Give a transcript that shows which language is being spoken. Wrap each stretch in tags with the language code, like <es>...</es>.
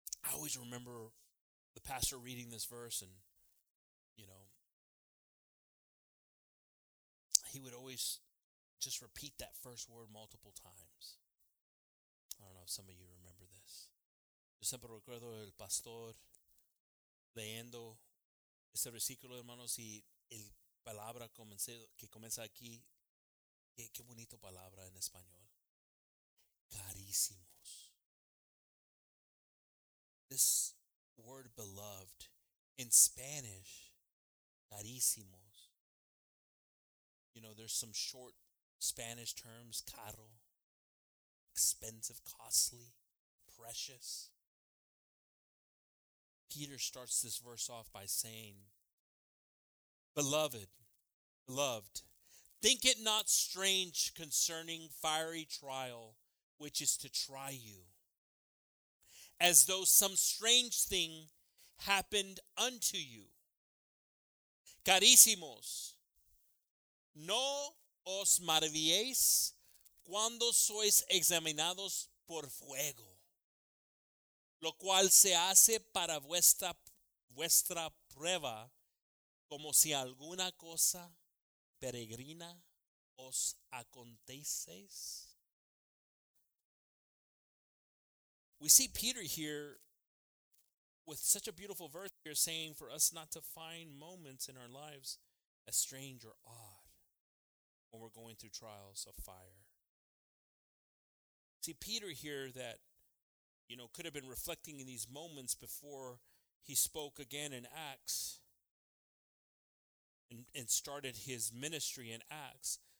<en>I always remember the pastor reading this verse and you know, he would always just repeat that first word multiple times. I don't know if some of you remember this.</en> <es>Yo siempre recuerdo el pastor leyendo ese versículo, hermanos, y el palabra que comienza aquí, qué bonito palabra en español. Carísimos.</es> <en>This word beloved in Spanish, carísimos. You know, there's some short Spanish terms, caro, expensive, costly, precious. Peter starts this verse off by saying, beloved, loved, think it not strange concerning fiery trial, which is to try you, as though some strange thing happened unto you.</en> <es>Carísimos, no os maravilléis cuando sois examinados por fuego, lo cual se hace para vuestra prueba, como si alguna cosa peregrina os aconteceis.</es> <en>We see Peter here with such a beautiful verse here saying for us not to find moments in our lives as strange or odd when we're going through trials of fire. See Peter here that, you know, could have been reflecting in these moments before he spoke again in Acts and started his ministry in Acts.</en>